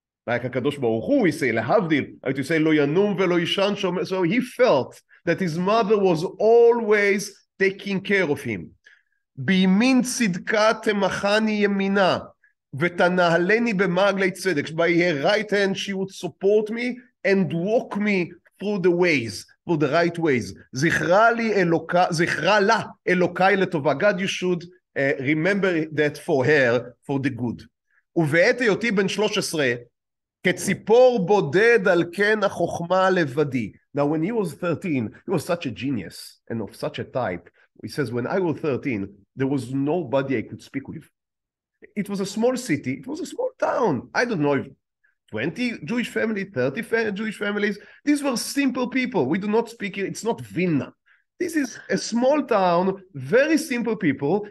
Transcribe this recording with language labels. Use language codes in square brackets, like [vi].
[en] like [he] הקדוש ברוך הוא, [en] he say להבדיל, I to say [he] לא ינום ולא ישן, [en] so he felt that his mother was always taking care of him. [he] בימין צדקה תמחני ימינה, ותנהלני במעגלי צדק, [en] by her right hand she would support me and walk me through the ways, through the right ways. [he] זכרה לי אלוקה, זכרה לה אלוקיי לטובה. [en] God, you should remember that for her, for the good. [he] ובעת היותי בן 13, כציפור בודד על כן החוכמה לבדי. [en] Now when he was 13, he was such a genius and of such a type. He says, when I was 13, there was nobody I could speak with. It was a small city. It was a small town. I don't know if 20 Jewish families, 30 Jewish families. These were simple people. We do not speak here. It's not Vilna. This is a small town, very simple people.